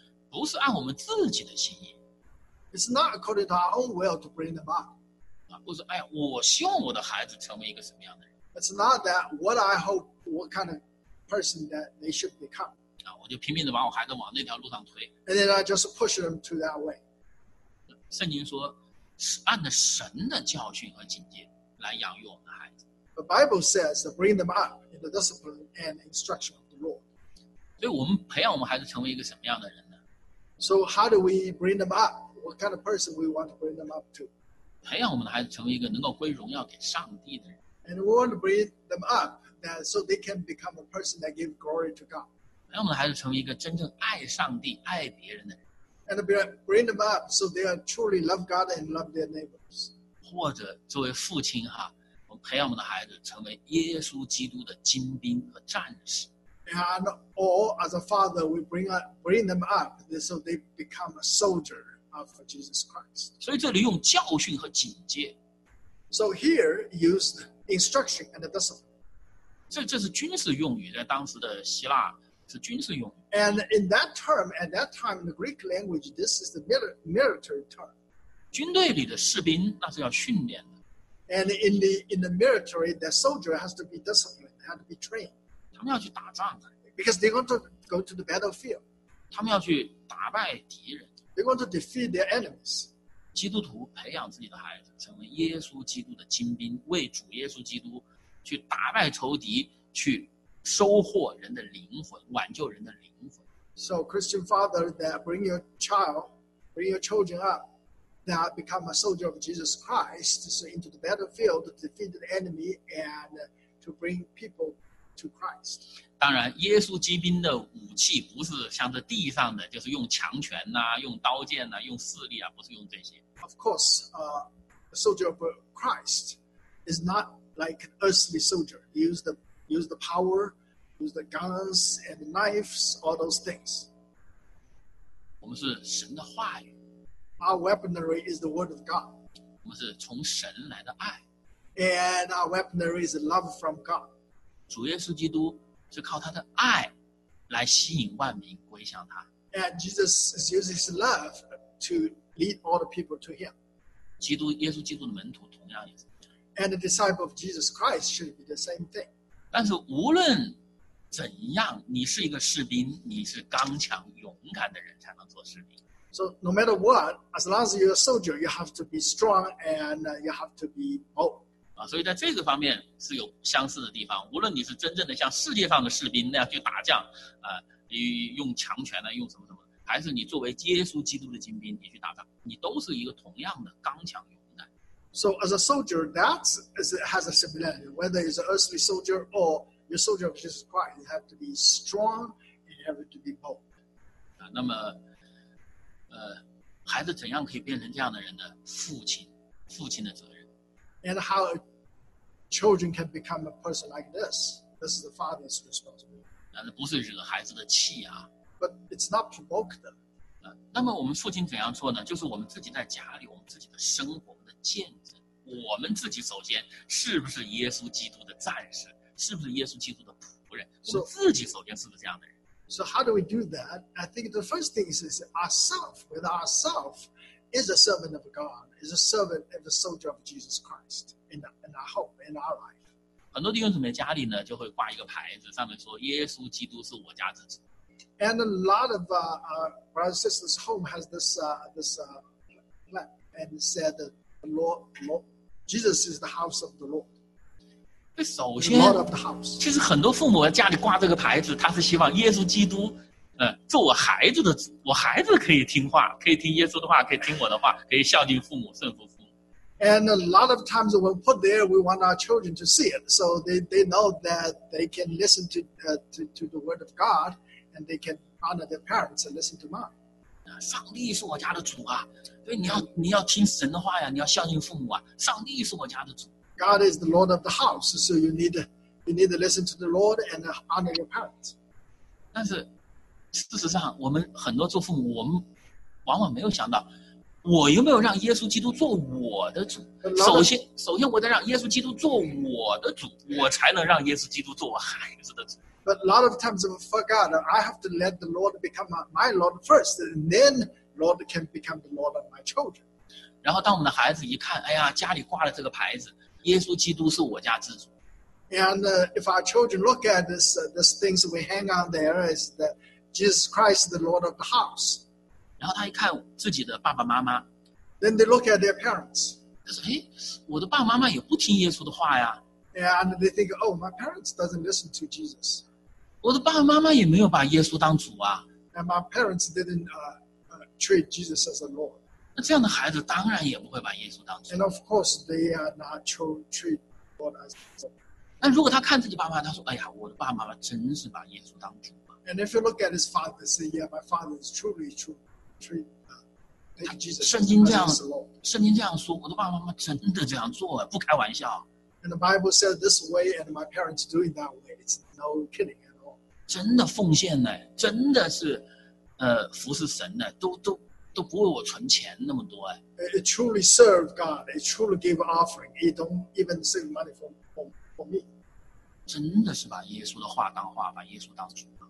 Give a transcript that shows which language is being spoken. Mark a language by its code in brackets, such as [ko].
[zh] 不是按我们自己的心意。 [en] It's not according to our own will to bring them up. [zh] 不是，哎，我希望我的孩子成为一个什么样的人。 [en] It's not that what I hope, what kind of person that they should become. [zh] 我就拼命地把我孩子往那条路上推。 [en] And then I just push them to that way. [zh] 圣经说，按着神的教训和警戒来养育我们的孩子。 [en] The Bible says to bring them up in the discipline and instruction of the Lord. [zh] 所以我们培养我们孩子成为一个什么样的人呢？ [en] So how do we bring them up? What kind of person we want to bring them up to? [zh] 培养我们的孩子成为一个能够归荣耀给上帝的人。 [en] And we want to bring them up that so they can become a person that give glory to God. [zh] 培养我们的孩子成为一个真正爱上帝、爱别人的人。 [en] And bring them up so they are truly love God and love their neighbors. [zh] 或者作为父亲哈，我们培养我们的孩子成为耶稣基督的精兵和战士。 [en] And or as a father, we bring them up so they become a soldier. For Jesus Christ. [zh] 所以这里用教训和警戒。 [en] So here used instruction and discipline. [zh] 这是军事用语，在当时的希腊是军事用语。 [en] And in that term, at that time in the Greek language, this is the military term. [zh] 军队里的士兵那是要训练的。 [en] And in the military, the soldier has to be disciplined, has to be trained. [zh] 他们要去打仗的。 [en] Because they're going to go to the battlefield. [zh] 他们要去打败敌人。 [en] They're going to defeat their enemies. [zh] 基督徒培养自己的孩子成为耶稣基督的精兵，为主耶稣基督去打败仇敌，去收获人的灵魂，挽救人的灵魂。 [en] So Christian father, that bring your child, bring your children up, that become a soldier of Jesus Christ, so into the battlefield to defeat the enemy and to bring people to Christ. [zh] 当然，耶稣基兵的武器不是像这地上的，就是用强权呐、用刀剑呐、用势力啊，不是用这些。 [en] Of course, a soldier of Christ is not like an earthly soldier. Use the power, use the guns and knives, all those things. [zh] 我们是神的话语。 [en] Our weaponry is the word of God. [zh] 我们是从神来的爱。 [en] And our weaponry is love from God. [zh] 主耶稣基督。是靠他的爱来吸引万民归向他。 [en] And Jesus uses his love to lead all the people to him. [zh] 基督，耶稣基督的门徒同样也是。 [en] And the disciple of Jesus Christ should be the same thing. [zh] 但是无论怎样，你是一个士兵，你是刚强勇敢的人才能做士兵。 [en] So no matter what, as long as you're a soldier, you have to be strong and you have to be bold. [zh] 所以在这个方面是有相似的地方，无论你是真正的像世界上的士兵那样去打仗，用强权呢，用什么什么，还是你作为耶稣基督的精兵，你去打仗，你都是一个同样的刚强勇敢。 [en] So as a soldier, that has a similarity. Whether it's an earthly soldier or you're a soldier of Jesus Christ, you have to be strong and you have to be bold. [zh] 那么，孩子怎样可以变成这样的人呢？父亲的责任。 [en] And how children can become a person like this. This is the father's responsibility. [zh] 不是惹孩子的气啊。 [en] But it's not provoke them. [zh] 那么我们父亲怎样做呢？就是我们自己在家里，我们自己的生活，我们的见证。我们自己首先是不是耶稣基督的战士？是不是耶稣基督的仆人？我们自己首先是不是这样的人？ [en] So how do we do that? I think the first thing is ourselves, with ourselves. Is a servant of God, is a servant of the soldier of Jesus Christ in our hope, in our life. [zh] 很多弟兄姊妹家里呢，就会挂一个牌子，上面说耶稣基督是我家之主。 [en] And a lot of brothers and sisters' home has this lamp and said that the Lord, Jesus is the house of the Lord. [zh] 首先 [en] the Lord of the house. [zh] 其实很多父母家里挂这个牌子，他是希望耶稣基督。做我孩子的主，我孩子可以听话，可以听耶稣的话，可以听我的话，可以孝敬父母，顺服父母。 [en] And a lot of times when we put there, we want our children to see it. So they know that they can listen to the word of God, and they can honor their parents and listen to mom. [zh] 上帝是我家的主啊，所以你要听神的话呀，你要孝敬父母啊。上帝是我家的主。 [en] God is the Lord of the house, so you need to listen to the Lord and honor your parents. [zh] 但是事实上，我们很多做父母，我们往往没有想到，我有没有让耶稣基督做我的主？首先我得让耶稣基督做我的主，我才能让耶稣基督做我孩子的主。 [en] But a lot of times I forgot, I have to let the Lord become my Lord first, and then Lord can become the Lord of my children. [zh] 然后当我们的孩子一看，哎呀，家里挂了这个牌子，耶稣基督是我家之主。 [en] And if our children look at this things we hang on there, is that Jesus Christ is the Lord of the house. [zh] 然后他一看自己的爸爸妈妈。 [en] Then they look at their parents. [zh] 他说，哎，我的爸爸妈妈也不听耶稣的话呀。 [en] And they think, oh, my parents doesn't listen to Jesus. [zh] 我的爸爸妈妈也没有把耶稣当主啊。 [en] And my parents didn't treat Jesus as a Lord. [zh] 那这样的孩子当然也不会把耶稣当主。 [en] And of course, they are not treat God as a Lord. [zh] 那如果他看自己爸妈，他说，哎呀，我的爸爸妈妈真是把耶稣当主啊。 [en] And if you look at his father, say, yeah, my father is truly treat Jesus. [zh] 圣经这样说，我的爸爸妈妈真的这样做，不开玩笑。 [en] And the Bible said this way, and my parents doing that way. It's no kidding at all. [zh] 真的奉献呢，真的是，服侍神呢，都不为我存钱那么多哎。 [en] It truly serve God. It truly give offering. It don't even save money for me. [zh] 真的是把耶稣的话当话，把耶稣当主。